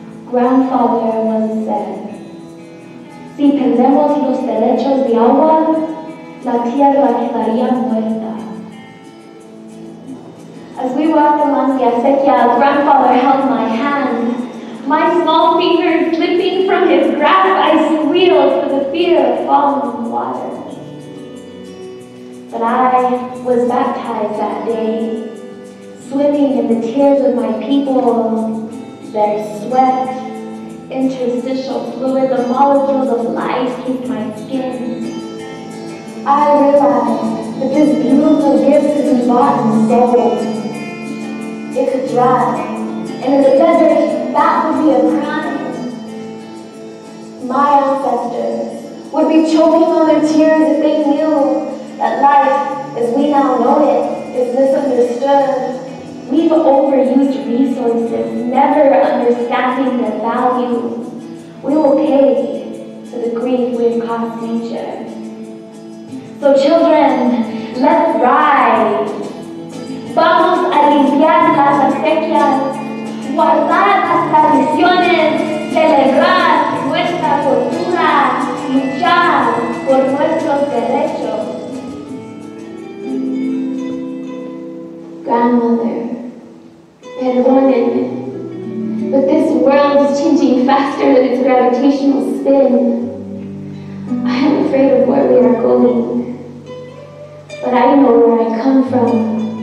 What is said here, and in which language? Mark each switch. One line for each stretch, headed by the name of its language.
English: Grandfather once said,
Spanish: si perdemos los derechos de agua, la tierra quedaría muerta.
English: As we walked along the acequia, Grandfather held my hand. My small fingers slipping from his grasp, I squealed for the fear of falling in the water. But I was baptized that day, swimming in the tears of my people, their sweat, interstitial fluid, the molecules of life keep my skin. I realized that this beautiful gift is bought and sold. It could dry, and in the desert, that would be a crime. My ancestors would be choking on their tears if they knew that life, as we now know it, is misunderstood. We believe overused resources, never understanding their value, we will pay for the grief we have caused nature. So children, let's rise.
Spanish: Vamos a limpiar las acequias, guardar las tradiciones, celebrar nuestra cultura, luchar por nuestros derechos.
English: Grandmother,
Spanish: perdónenme,
English: but this world is changing faster than its gravitational spin. I am afraid of where we are going, but I know where I come from.